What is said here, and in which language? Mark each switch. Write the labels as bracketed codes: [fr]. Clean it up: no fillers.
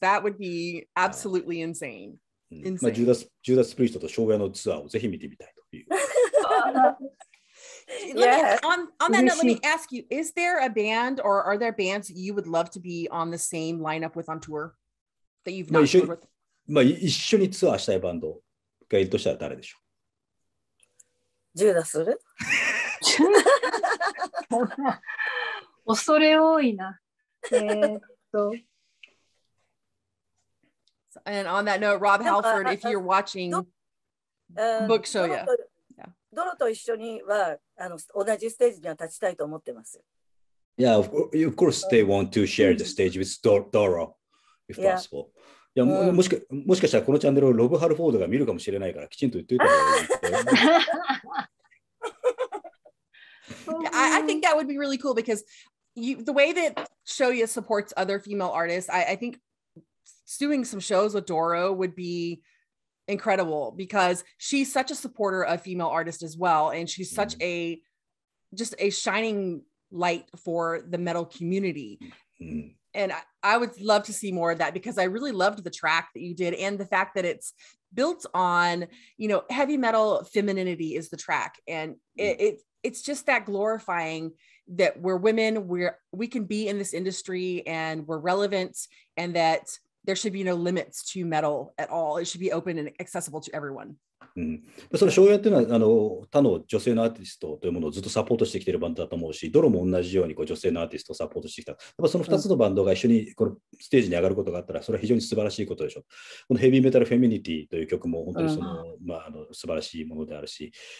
[en] That would be absolutely insane. [ja] まあ、Judas Priest と Shoya のツアーをぜひ見てみたいという。 [en] On that note, let me ask you, is there a band or are there bands you would love to be on the same lineup with on tour? That you've not worked with. [ja] まあ一緒にツアーしたいバンドがいるとしたら誰でしょう。ジューダス。恐れ多いな。 [en] And on that note, Rob Halford, if you're watching, book show ya. [ja] ドロと一緒にはあの同じステージには立ちたいと思ってます。 [en] Yeah, of course they want to share the stage with Doro. If possible. [ja] Yeah. いや、もしかしたらこのチャンネルをロブ・ハルフォードが見るかもしれないからきちんと言っておいたらいい。 [en] I think that would be really cool because you, the way that Shoya supports other female artists, I think doing some shows with Doro would be incredible because she's such a supporter of female artists as well and she's such a just a shining light for the metal community. And I would love to see more of that because I really loved the track that you did and the fact that it's built on, you know, heavy metal femininity is the track. And it's just that glorifying that we're women, we can be in this industry and we're relevant and that there should be no limits to metal at all. It should be open and accessible to everyone. [ja] うん、その昭和っていうのはあの他の女性のアーティストというものをずっとサポートしてきているバンドだと思うし、ドロも同じようにこう女性のアーティストをサポートしてきた。やっぱその2つのバンドが一緒にこのステージに上がることがあったら、それは非常に素晴らしいことでしょう。このヘビーメタルフェミニティという曲も本当にその、まあ、あの素晴らしいものであるし。